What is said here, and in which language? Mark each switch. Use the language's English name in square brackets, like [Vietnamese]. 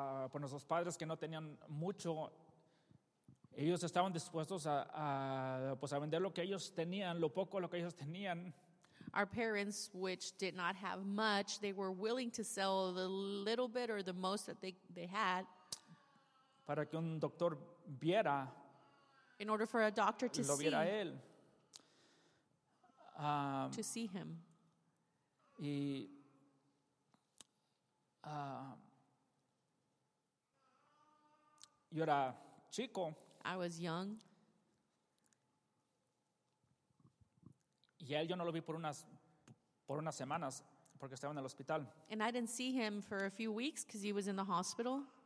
[Spanish] Por nuestros padres que no tenían mucho, ellos estaban dispuestos a vender lo que ellos tenían, lo poco lo que ellos tenían. [English] Our parents, which did not have much, they were willing to sell the little bit or the most that they had. [Spanish] Para que un doctor viera. [English] In order for a doctor to [Spanish] lo viera [English] see. [Spanish] Él. [English] To see him. [Spanish] Y, yo era chico. [English] I was young. [Spanish] Y él yo no lo vi por unas semanas porque estaba en el hospital. [English] And I didn't see him for a few weeks because he was in the hospital.